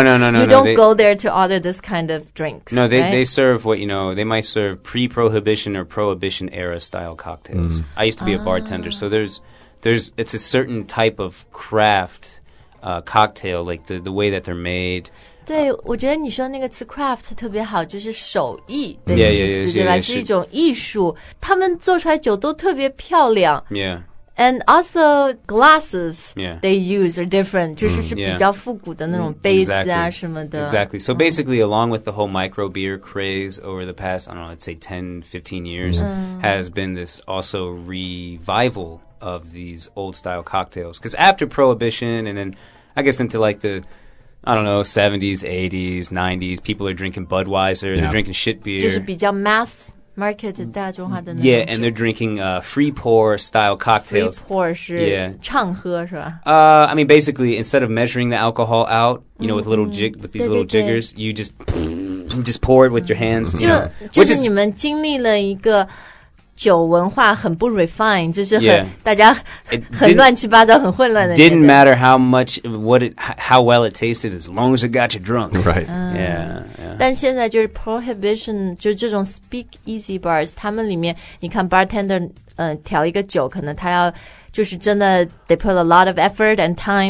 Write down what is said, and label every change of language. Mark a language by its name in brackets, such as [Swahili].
[English] You don't go there to order this kind of drinks. No, they,、 right? they serve what, you know, they might serve pre-prohibition or prohibition era style cocktails.、I used to be a bartender, so there's, it's a certain type of craft、cocktail, like the way that they're made. [Chinese] 对我觉得你说那个词 craft 特别好就是手艺的意思对吧 是一种艺术他们做出来酒都特别漂亮 [English] yeah. And also glasses、 yeah. they use are different. [Chinese] 就是是比较复古的那种杯子啊、mm, [English] exactly. [Chinese] 什么的。 [English] Exactly. So basically,、mm. along with the whole micro beer craze over the past, I don't know, let's say 10, 15 years,、mm. has been this also revival of these old style cocktails. Because after Prohibition and then I guess into like the, I don't know, 70s, 80s, 90s, people are drinking Budweiser,、yeah. they're drinking shit beer. [Chinese] 就是比较 [English] mass... Market [Chinese] 大众化的那 [English] Yeah, and they're drinking、free pour style cocktails. Free pour [Chinese] 是畅喝是吧、 [English] yeah. I mean, basically, instead of measuring the alcohol out, you know,、mm-hmm. with, little jig, with these little jiggers, you just pour it with your hands.、Mm-hmm. You know, [Chinese] 就是你们经历了一个酒文化很不 refine, 就是很、 [English] yeah. [Chinese] 大家很乱七八糟很混乱的。 [English] Didn't matter how much, how well it tasted, as long as it got you drunk. Right.、 Yeah. [Chinese] 但现在就是 prohibition, 就是这种 speakeasy bars, 他们里面你看 bartender、调一个酒可能他要就是真的 [English] they put a lot of effort and time